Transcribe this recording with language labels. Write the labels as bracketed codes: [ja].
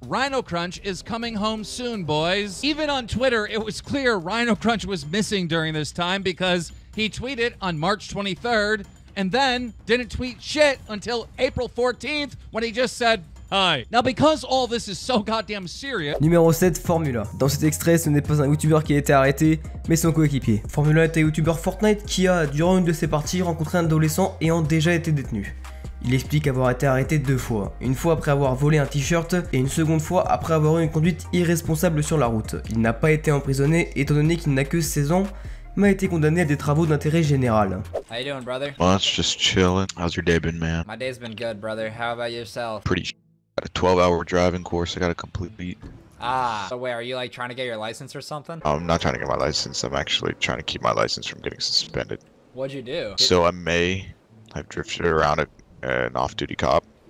[en] Rhino Crunch is coming home soon, boys. Even on Twitter, it was clear Rhino Crunch was missing during this time because he tweeted on March 23rd and then didn't tweet shit until April 14th when he just said, hi. Now, because all this is so goddamn serious... [fr] Numéro 7, Formula. Dans cet extrait, ce n'est pas un YouTuber qui a été arrêté, mais son coéquipier. Formula est un YouTuber Fortnite qui a, durant une de ses parties, rencontré un adolescent ayant déjà été détenu. Il explique avoir été arrêté deux fois. Une fois après avoir volé un t-shirt, et une seconde fois après avoir eu une conduite irresponsable sur la route. Il n'a pas été emprisonné, étant donné qu'il n'a que 16 ans, m'a été condamné à des travaux d'intérêt général. [en] How you doing, brother? Well, it's just chilling. How's your day been, man? My day's been good, brother. How about yourself? Pretty got a 12-hour driving course. I got a complete beat. Ah, so wait, are you like trying to get your license or something? I'm not trying to get my license. I'm actually trying to keep my license from getting suspended. What'd you do? So I may have drifted around an off-duty cop.